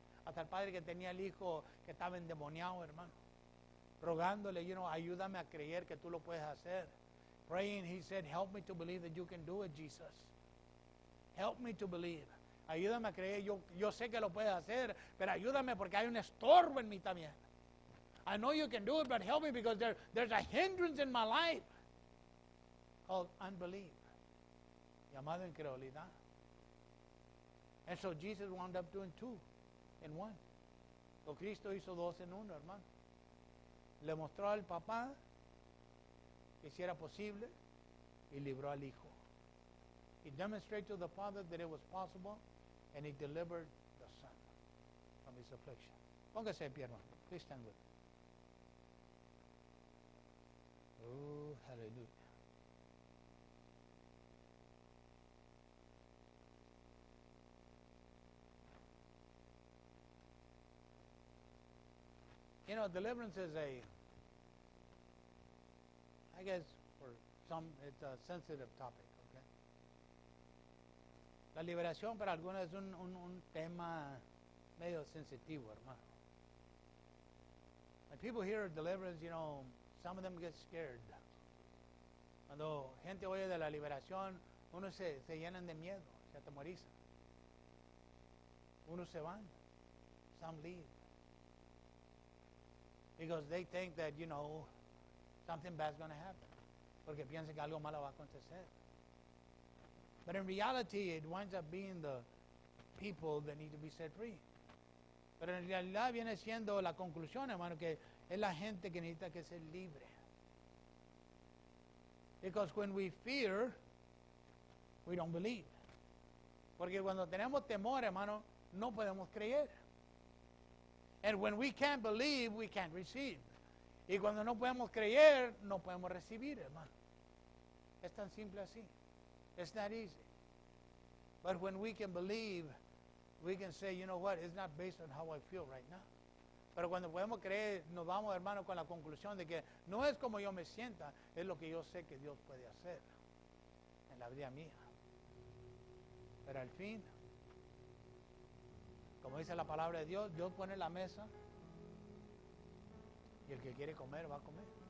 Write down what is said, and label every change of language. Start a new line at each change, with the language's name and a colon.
Spanish: Hasta el padre que tenía el hijo que estaba endemoniado, hermano. Rogándole,
English: you know,
Spanish: ayúdame a creer que tú lo puedes hacer.
English: Praying, he said, help me to believe that you can do it, Jesus. Help me to believe.
Spanish: Ayúdame a creer, yo sé que lo puedes hacer, pero ayúdame porque hay un estorbo en mí también.
English: I know you can do it, but help me because there's a hindrance in my life. Called unbelief.
Spanish: Llamado incredulidad.
English: And so Jesus wound up doing two in one.
Spanish: Lo Cristo hizo dos en uno, hermano. Le mostró al papá que si era posible y libró al hijo.
English: He demonstrated to the father that it was possible and he delivered the son from his affliction.
Spanish: Póngase de pie, hermano.
English: Please stand with me. Oh, hallelujah. You know, deliverance is it's a sensitive topic, okay?
Spanish: La liberación para algunos es un tema medio sensitivo, hermano.
English: When people hear deliverance, you know, some of them get scared.
Spanish: Cuando gente oye de la liberación, uno se llenan de miedo, se atemorizan. Uno se van,
English: some leave. Because they think that, you know, something bad is going to happen.
Spanish: Porque piensan que algo malo va a acontecer.
English: But in reality, it winds up being the people that need to be set free.
Spanish: Pero en realidad viene siendo la conclusión, hermano, que es la gente que necesita que sea libre.
English: Because when we fear, we don't believe.
Spanish: Porque cuando tenemos temor, hermano, no podemos creer.
English: And when we can't believe, we can't receive.
Spanish: Y cuando no podemos creer, no podemos recibir, hermano. Es tan simple así.
English: It's that easy. But when we can believe, we can say, you know what, it's not based on how I feel right now.
Spanish: Pero cuando podemos creer, nos vamos, hermano, con la conclusión de que no es como yo me sienta, es lo que yo sé que Dios puede hacer en la vida mía. Pero al fin, como dice la palabra de Dios, Dios pone la mesa y el que quiere comer va a comer.